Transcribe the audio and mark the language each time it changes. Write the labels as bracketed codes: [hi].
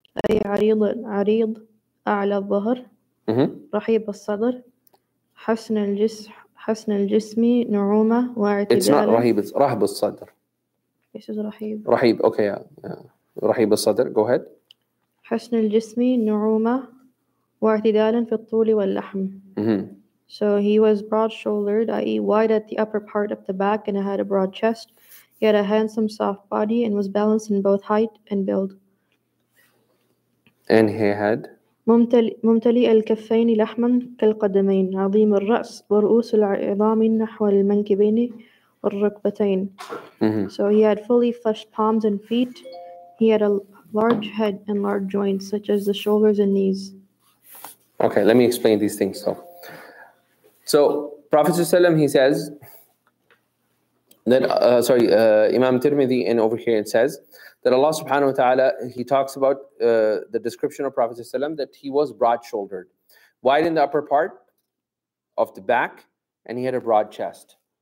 [ar] أَيْ عَرِيضٌ أَعْلَى الظَّهْرِ رحيب الصدر حسن الجسم حسن الجسمي نعومة واعتدال. [en] It's not رحيب, it's [ar] رهب الصدر. [en] This is رحيب. رحيب, okay, yeah. [ar] رحيب الصدر, [en] go ahead. [ar] حسن الجسمي نعومة واعتدال في الطول واللحم. [en] So he was broad-shouldered, i.e. wide at the upper part of the back and had a broad chest. He had a handsome soft body and was balanced in both height and build. And he had [ar] ممتلئ الكفين لحما كالقدمين عظيم الرأس ورؤوس العظام نحو المنكبين والركبتين. [en] So he had fully fleshed palms and feet. He had a large head and large joints such as the shoulders and knees. Okay, let me explain these things. So Prophet ﷺ, he says, then Imam Tirmidhi in over here, it says that Allah subhanahu wa ta'ala, he talks about the description of Prophet ﷺ, that he was broad-shouldered, wide in the upper part of the back, and he had a broad chest.